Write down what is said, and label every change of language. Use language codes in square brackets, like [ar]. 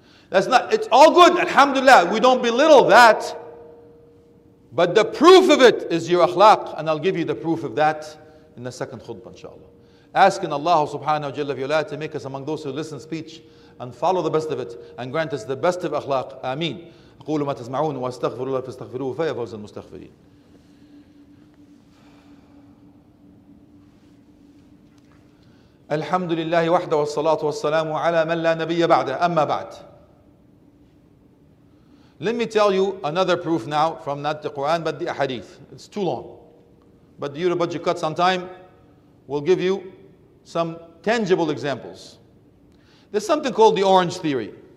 [en] That's not, it's all good, alhamdulillah. We don't belittle that. But the proof of it is your akhlaq. And I'll give you the proof of that in the second khutbah, inshallah. Asking Allah subhanahu wa jalla fiyala to make us among those who listen speech and follow the best of it and grant us the best of akhlaq. Ameen. [ar] أقول ما تسمعون واستغفر الله فاستغفروه فيا فوز المستغفرين. الحمد لله وحده والصلاة والسلام على من لا نبي بعده أما بعد. [en] Let me tell you another proof now from not the Quran but the Ahadith. It's too long. But due to budget cuts on time, we'll give you some tangible examples. There's something called the orange theory.